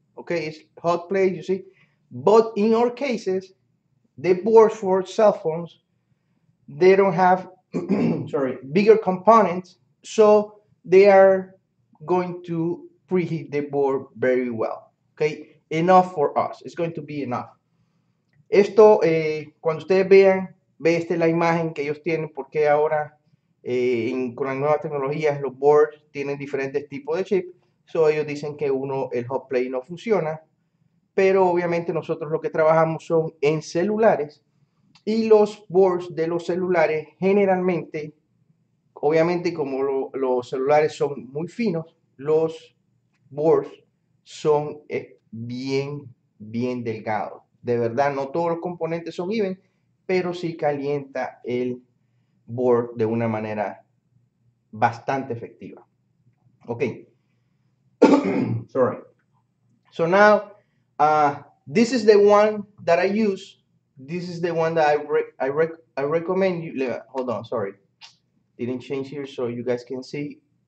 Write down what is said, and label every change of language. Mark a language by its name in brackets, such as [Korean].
[English] Okay, it's hot plate, you see. But in our cases, the boards for cell phones, they don't have bigger components, so they are going to preheat the board very well. Okay, enough for us. It's going to be enough. [Spanish] Esto, cuando ustedes vean, ve esta la imagen que ellos tienen, porque ahora con las nuevas tecnologías los boards tienen diferentes tipos de chip. So ellos dicen que uno, el hot plate no funciona. Pero obviamente nosotros lo que trabajamos son en celulares. Y los boards de los celulares generalmente, obviamente como los celulares son muy finos, los boards son bien, bien delgados. De verdad, no todos los componentes son even, pero sí calienta el board de una manera bastante efectiva. [English] Ok. Sorry. So now, this is the one that I use. This is the one that I recommend you. Hold on, sorry. Didn't change here so you guys can see.